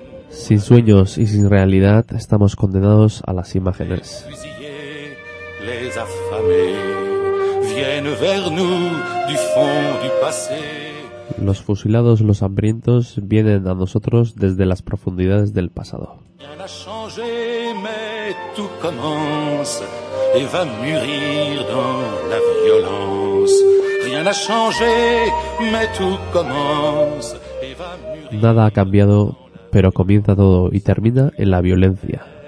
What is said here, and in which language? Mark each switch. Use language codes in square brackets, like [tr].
[es] Sin sueños y sin realidad, estamos condenados a las imágenes. [fr] Les affamés viennent vers nous du fond du passé. [es] Los fusilados, los hambrientos, vienen a nosotros desde las profundidades del pasado. [fr] Rien n'a changé, mais tout commence. et va mûrir dans la violence. Rien n'a changé, mais tout commence. [es] Nada ha cambiado, pero comienza todo y termina en la violencia.